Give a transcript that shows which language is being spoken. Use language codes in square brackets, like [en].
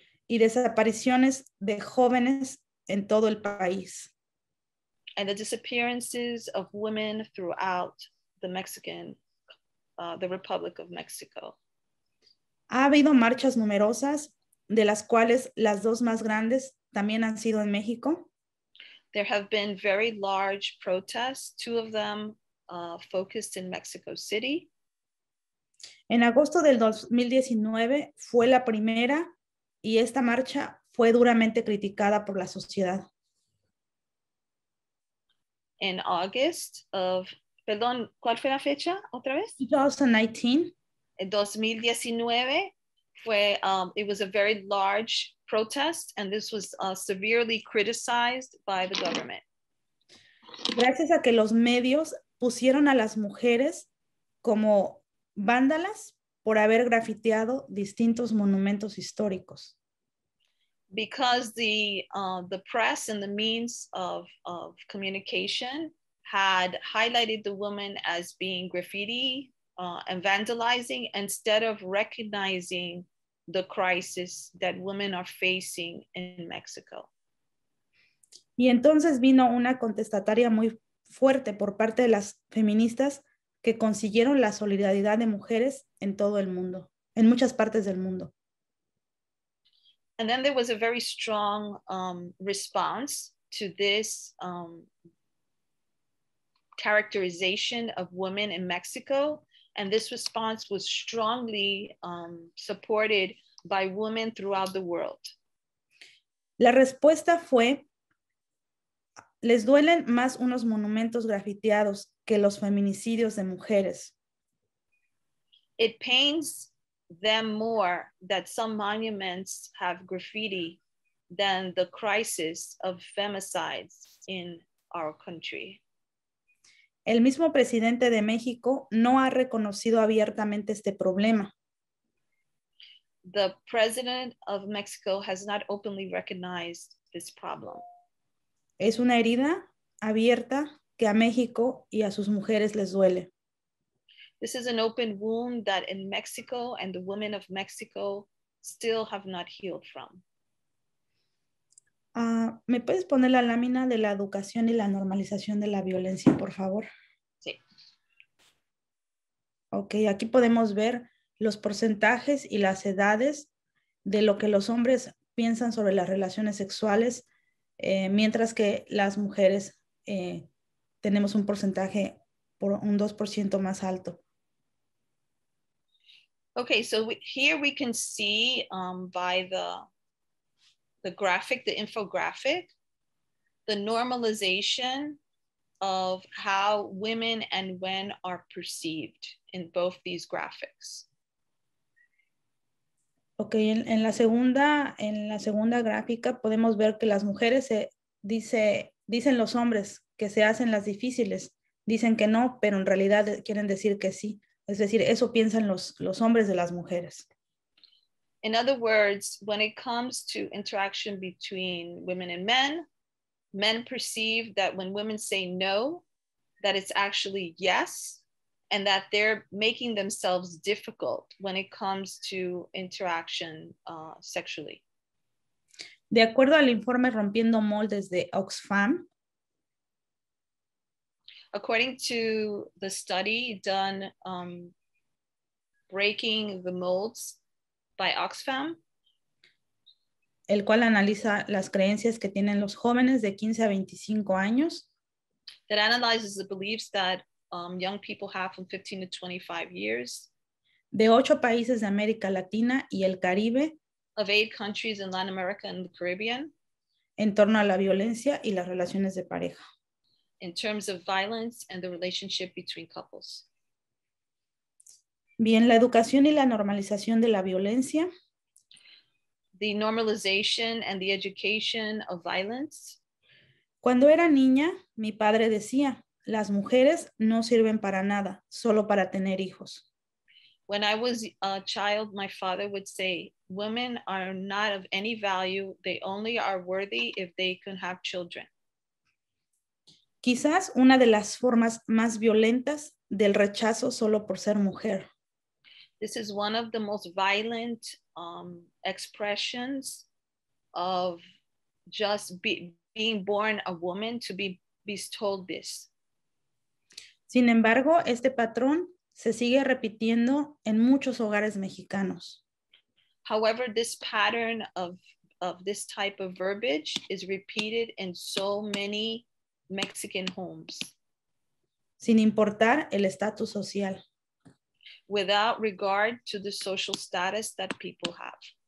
[es] y desapariciones de jóvenes en todo el país. [en] And the disappearances of women throughout the Mexican, the Republic of Mexico. [es] Ha habido marchas numerosas, de las cuales las dos más grandes también han sido en México. [en] There have been very large protests, two of them focused in Mexico City. [es] En agosto del 2019 fue la primera y esta marcha fue duramente criticada por la sociedad. [en] In August of, [es] perdón, ¿cuál fue la fecha otra vez? 2019. En 2019 fue, [en] it was a very large protest and this was severely criticized by the government. [es] Gracias a que los medios pusieron a las mujeres como vándalas por haber grafiteado distintos monumentos históricos. [en] Because the press and the means of communication had highlighted the woman as being graffiti and vandalizing instead of recognizing the crisis that women are facing in Mexico. [es] Y entonces vino una contestataria muy fuerte por parte de las feministas que consiguieron la solidaridad de mujeres en todo el mundo, en muchas partes del mundo. [en] And then there was a very strong response to this characterization of women in Mexico. And this response was strongly supported by women throughout the world. [es] La respuesta fue, les duelen más unos monumentos grafiteados que los feminicidios de mujeres. [en] It pains them more that some monuments have graffiti than the crisis of femicides in our country. [es] El mismo presidente de México no ha reconocido abiertamente este problema. [en] The president of Mexico has not openly recognized this problem. [es] Es una herida abierta que a México y a sus mujeres les duele. [en] This is an open wound that in Mexico and the women of Mexico still have not healed from. [es] ¿Me puedes poner la lámina de la educación y la normalización de la violencia, por favor? Sí. Ok, aquí podemos ver los porcentajes y las edades de lo que los hombres piensan sobre las relaciones sexuales, mientras que las mujeres tenemos un porcentaje por un 2% más alto. [en] Okay, so here we can see by the graphic, the infographic, the normalization of how women and men are perceived in both these graphics. [es] Okay, en la segunda gráfica podemos ver que las mujeres dicen los hombres que se hacen las difíciles, dicen que no, pero en realidad quieren decir que sí. Es decir, eso piensan los hombres de las mujeres. [en] In other words, when it comes to interaction between women and men, men perceive that when women say no, that it's actually yes, and that they're making themselves difficult when it comes to interaction sexually. [es] De acuerdo al informe Rompiendo Moldes de Oxfam, [en] according to the study done Breaking the Molds by Oxfam, [es] el cual analiza las creencias que tienen los jóvenes de 15 a 25 años, [en] that analyzes the beliefs that young people have from 15 to 25 years, [es] de 8 países de América Latina y el Caribe, [en] of 8 countries in Latin America and the Caribbean, [es] en torno a la violencia y las relaciones de pareja. [en] In terms of violence and the relationship between couples. [es] Bien, la educación y la normalización de la violencia. [en] The normalization and the education of violence. [es] Cuando era niña, mi padre decía, las mujeres no sirven para nada, solo para tener hijos. [en] When I was a child, my father would say, women are not of any value, they only are worthy if they can have children. [es] Quizás una de las formas más violentas del rechazo solo por ser mujer. [en] This is one of the most violent expressions of just being born a woman to be told this. [es] Sin embargo, este patrón se sigue repitiendo en muchos hogares mexicanos. [en] However, this pattern of this type of verbiage is repeated in so many Mexican homes. [es] Sin importar el estatus social. [en] Without regard to the social status that people have.